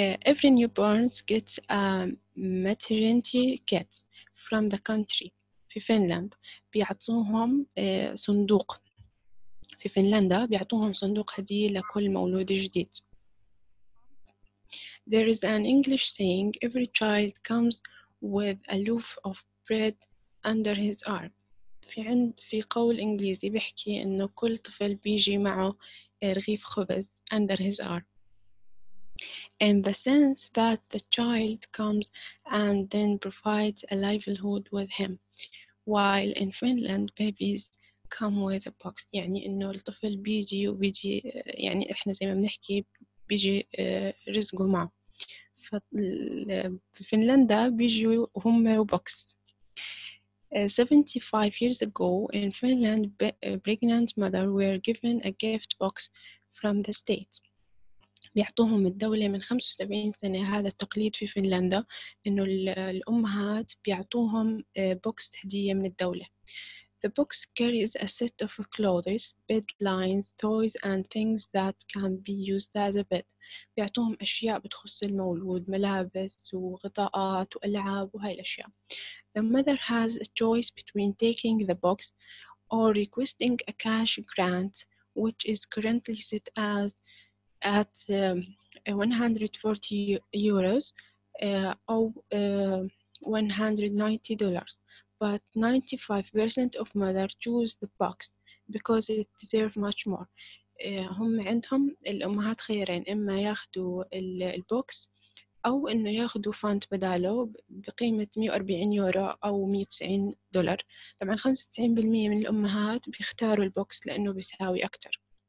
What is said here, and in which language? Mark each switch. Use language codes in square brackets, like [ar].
[en] Every newborn gets a maternity kit from the country. [ar] في فنلندا بيعطوهم صندوق. في فنلندا بيعطوهم صندوق هدية لكل مولود جديد. [en] There is an English saying, every child comes with a loaf of bread under his arm. [ar] في قول إنجليزي بيحكي إنه كل طفل بيجي معه رغيف خبز [en] under his arm. In the sense that the child comes and then provides a livelihood with him. While in Finland, babies come with a box, [ar] يعني إنه الطفل بيجي وبيجي يعني إحنا زي ما بنحكي بيجي رزقه معه. ففي فنلندا بيجي هم box. [en] 75 years ago in Finland, pregnant mother were given a gift box from the state. [ar] بيعطوهم الدولة من 75 سنة هذا التقليد في فنلندا إنه الأمهات بيعطوهم box هدية من الدولة. [en] The box carries a set of clothes, bed lines, toys, and things that can be used as a bed. [ar] بيعطوهم أشياء بتخص المولود، ملابس وغطاءات وألعاب وهاي الأشياء. [en] The mother has a choice between taking the box or requesting a cash grant, which is currently set as at 140 euros or $190. But 95% of mothers choose the box because it deserves much more. [ar] هم عندهم الأمهات خيارين إما ياخدوا البوكس أو إنه ياخدوا فانت بداله بقيمة 140 يورو أو 190 دولار. طبعاً 95% من الأمهات بيختاروا البوكس لأنه بيساوي أكتر.